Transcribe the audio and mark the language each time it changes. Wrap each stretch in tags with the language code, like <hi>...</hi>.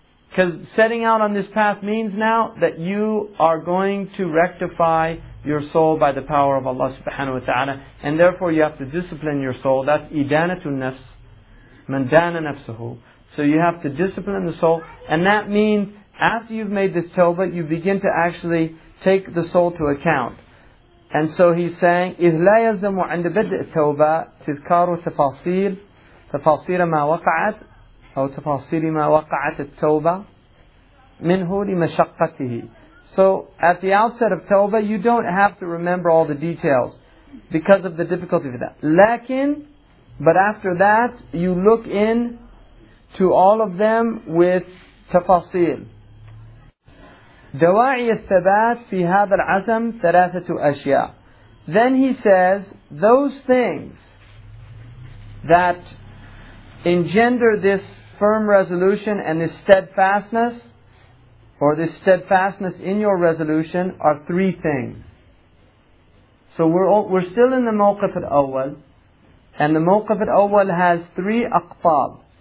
<en>Because setting out on this path means now that you are going to rectify your soul by the power of Allah subhanahu wa ta'ala. And therefore you have to discipline your soul. That's idanatul nafs. Man dana nafsuhu. So you have to discipline the soul. And that means after you've made this tawbah, you begin to actually take the soul to account.</en> <ar>And so he's saying, إِذْ لَا يَزَّمُ عَنْدَ بَدْءِ التَّوْبَةِ تِذْكَارُ تَفَاصِيلَ مَا وَقَعَتْ أو تفاصيل ما وقعت التوبة منه لمشقته.</ar> <en>So at the outset of tawbah, you don't have to remember all the details because of the difficulty of that.</en> <ar>لكن,</ar> <en>but after that, you look in to all of them with تفاصيل.</en> <ar>دواعي الثبات في هذا العزم ثلاثة أشياء.</ar> <en>Then he says those things that engender this firm resolution and this steadfastness, or this steadfastness in your resolution, are three things. So we're still in the mawqif al-awwal, and the mawqif al-awwal has three aqtab.</en>